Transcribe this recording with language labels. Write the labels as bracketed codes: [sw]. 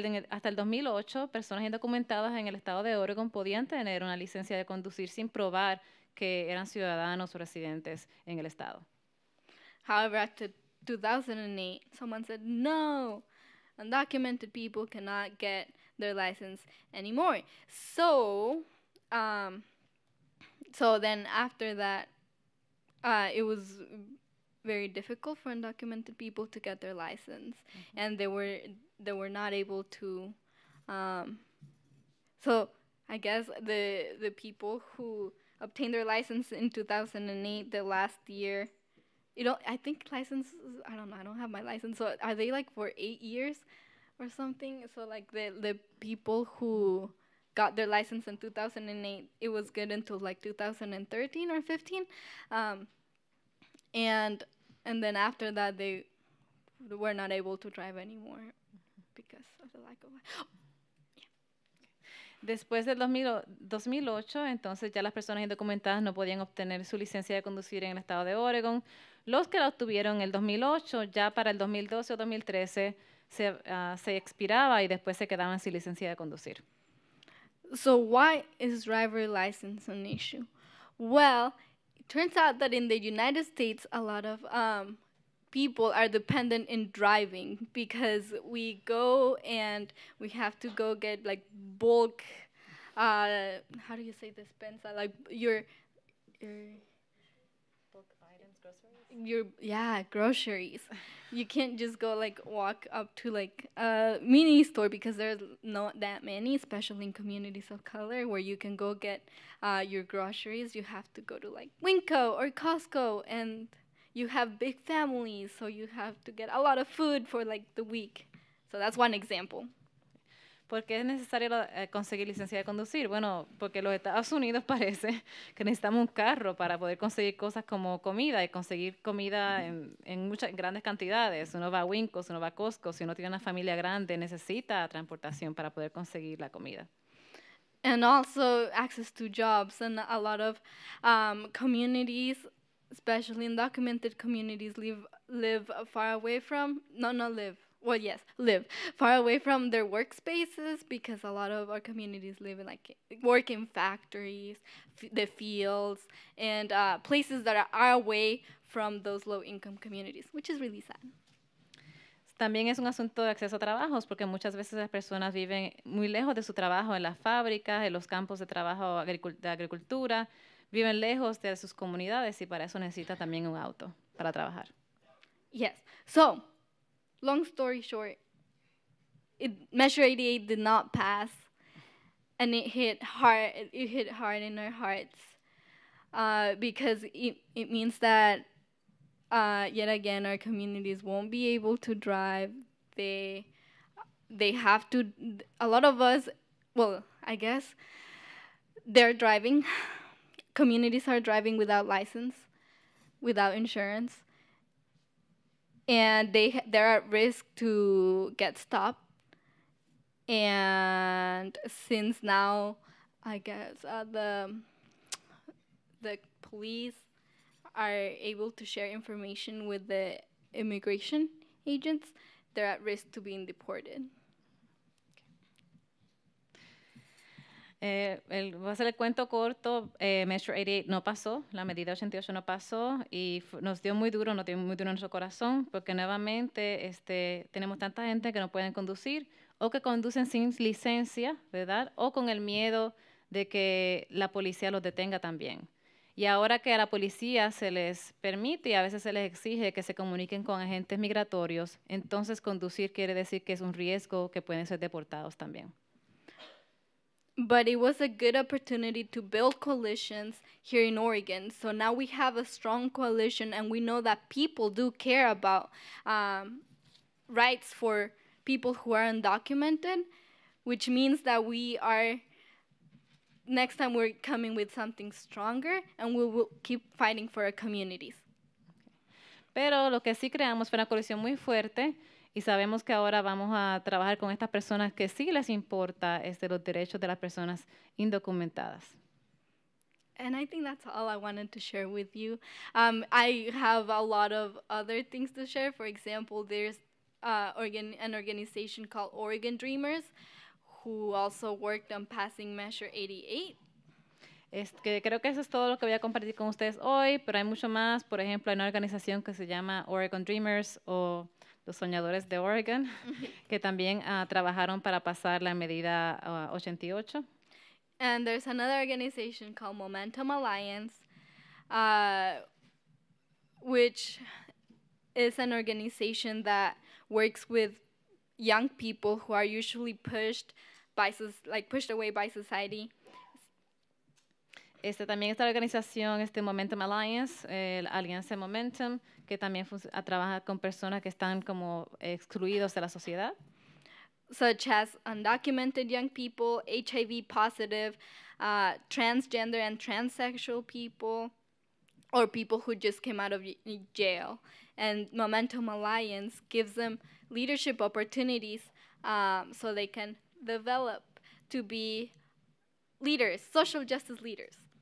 [es] Hasta el 2008, personas indocumentadas en el estado de Oregon podían tener una licencia de conducir sin probar que eran ciudadanos o residentes en el estado. [en] However, after 2008, someone said, no, undocumented people cannot get their license anymore. So, so then after that, it was very difficult for undocumented people to get their license, mm-hmm. and they were not able to. So, I guess the people who obtained their license in 2008, the last year, you know, I think licenses. I don't know. I don't have my license. So, are they like for 8 years, or something? So, like the people who got their license in 2008, it was good until like 2013 or 15, And then after that, they were not able to drive anymore because of the lack of [es] Después del 2008, entonces ya las personas indocumentadas no podían obtener su licencia de conducir en el estado de Oregon. Los que la obtuvieron en el 2008, ya para el 2012 o 2013, se expiraba y después se quedaban sin licencia de conducir. [en] So why is driver license an issue? Well, turns out that in the United States, a lot of people are dependent in driving because we go and we have to go get like bulk, how do you say dispensa? Like your bulk items, groceries? Groceries. You can't just go like walk up to like a mini store because there's not that many, especially in communities of color where you can go get your groceries. You have to go to like Winco or Costco and you have big families, so you have to get a lot of food for like the week. So that's one example. [es] ¿Por qué es necesario conseguir licencia de conducir? Bueno, porque los Estados Unidos parece que necesitamos un carro para poder conseguir cosas como comida y conseguir comida en grandes cantidades. Uno va a Winco, uno va a Costco. Si uno tiene una familia grande, necesita transportación para poder conseguir la comida. [en] And also access to jobs and a lot of communities, especially undocumented communities, live far away from, live far away from their workspaces because a lot of our communities live in like work in factories, the fields, and places that are away from those low-income communities, which is really sad. [es] También es un asunto de acceso a trabajos porque muchas veces las personas viven muy lejos de su trabajo, en las fábricas, en los campos de trabajo de agricultura, viven lejos de sus comunidades y para eso necesita también un auto para trabajar. [en] Yes. So, long story short, Measure 88 did not pass and it hit hard in our hearts because it means that yet again our communities won't be able to drive. They're driving. Communities are driving without license, without insurance. and they're at risk to get stopped. And since now, I guess the police are able to share information with the immigration agents, they're at risk to being deported. [es] Voy a hacer el cuento corto, Measure 88 no pasó, la medida 88 no pasó y nos dio muy duro en nuestro corazón porque nuevamente tenemos tanta gente que no pueden conducir o que conducen sin licencia, ¿verdad? O con el miedo de que la policía los detenga también. Y ahora que a la policía se les permite y a veces se les exige que se comuniquen con agentes migratorios, entonces conducir quiere decir que es un riesgo que pueden ser deportados también. [en] But it was a good opportunity to build coalitions here in Oregon. So now we have a strong coalition, and we know that people do care about rights for people who are undocumented, which means that we are, next time we're coming with something stronger, and we will keep fighting for our communities. [es] Pero lo que sí creamos fue una coalición muy fuerte. Y sabemos que ahora vamos a trabajar con estas personas que sí les importa los derechos de las personas indocumentadas. [en] And I think that's all I wanted to share with you. I have a lot of other things to share. For example, there's an organization called Oregon Dreamers who also worked on passing Measure 88. [es] Creo que eso es todo lo que voy a compartir con ustedes hoy, pero hay mucho más. Por ejemplo, hay una organización que se llama Oregon Dreamers o Los Soñadores de Oregon, que también trabajaron para pasar la medida 88. [en] And there's another organization called Momentum Alliance, which is an organization that works with young people who are usually pushed away by society. [es] También esta organización, Momentum Alliance, Alianza Momentum, que también trabaja con personas que están como excluidos de la sociedad. [en] Such as undocumented young people, HIV positive, transgender and transsexual people, or people who just came out of jail. And Momentum Alliance gives them leadership opportunities so they can develop to be leaders, social justice leaders.